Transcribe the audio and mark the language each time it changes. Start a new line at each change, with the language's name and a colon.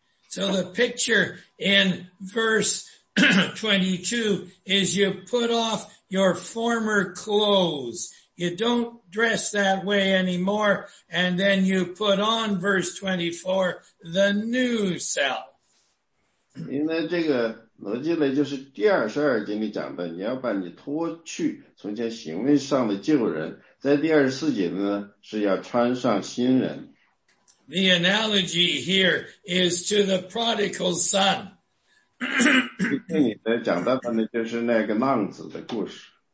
English: So the picture in verse 22 is you put off your former clothes. You don't dress that way anymore. And then you put on verse 24, the new self.
Chinese: 因为这个逻辑呢，就是第22节里讲的，你要把你脱去从前行为上的旧人，在第24节呢，是要穿上新人。
English: The analogy here is to the prodigal son.
Chinese: 讲到的就是那个浪子的故事。